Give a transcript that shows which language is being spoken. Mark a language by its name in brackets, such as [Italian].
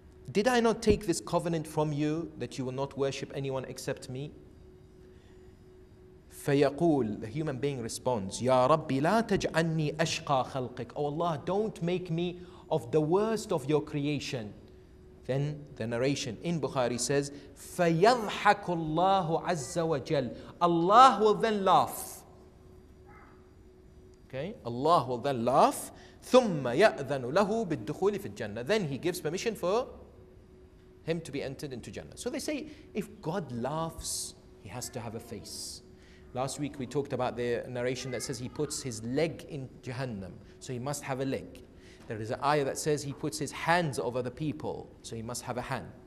[English] Did I not take this covenant from you that you will not worship anyone except me? [Arabic] فيقول, [English] the human being responds, [Arabic] يا ربي لا تجعلني أشقى خلقك. [English] Oh Allah, don't make me of the worst of your creation. Then the narration in Bukhari says, [Arabic] فيضحك الله عز وجل. [English] Allah will then laugh. Okay, Allah will then laugh. [Arabic] ثم يأذن له بالدخول في الجنة. [English] Then he gives permission for him to be entered into Jannah. So they say, if God laughs, he has to have a face. Last week we talked about the narration that says he puts his leg in Jahannam, so he must have a leg. There is an ayah that says he puts his hands over the people, so he must have a hand.